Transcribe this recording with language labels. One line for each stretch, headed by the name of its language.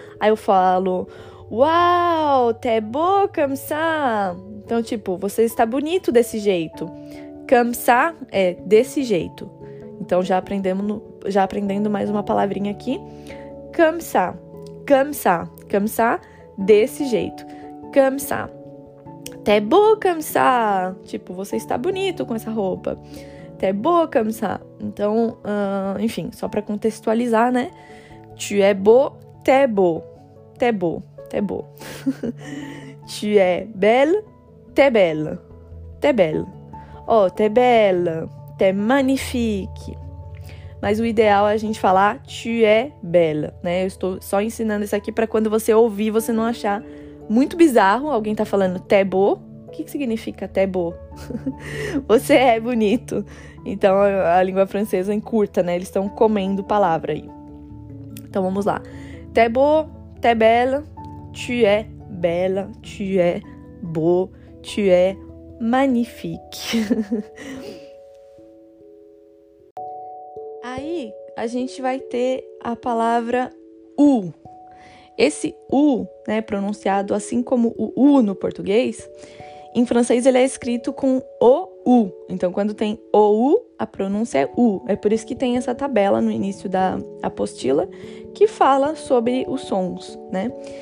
Portuguese: Aí eu falo, uau,
French: t'es beau comme ça.
Portuguese: Então, tipo, você está bonito desse jeito.
French: Comme ça
Portuguese: é desse jeito. Então, já aprendendo mais uma palavrinha aqui.
French: Comme ça, comme ça, comme ça,
Portuguese: desse jeito.
French: Comme ça. T'es beau comme ça.
Portuguese: Tipo, você está bonito com essa roupa.
French: T'es beau comme ça.
Portuguese: Então, enfim, só pra contextualizar, né?
French: Tu es beau, t'es beau. T'es beau. T'es beau. Tu es belle, t'es belle. T'es belle. Oh, t'es belle. T'es magnifique.
Portuguese: Mas o ideal é a gente falar
French: tu es belle,
Portuguese: né? Eu estou só ensinando isso aqui pra quando você ouvir, você não achar muito bizarro alguém tá falando
French: t'es beau.
Portuguese: O que significa t'es beau? Você é bonito. Então, a língua francesa encurta, né? Eles estão comendo palavra aí. Então, vamos lá.
French: T'es beau, t'es belle. Tu es belle, tu es beau, tu es magnifique.
Portuguese: Aí, a gente vai ter a palavra U. Esse U, né, pronunciado assim como o U no português, em francês ele é escrito com O-U. Então, quando tem O-U, a pronúncia é U. É por isso que tem essa tabela no início da apostila que fala sobre os sons, né?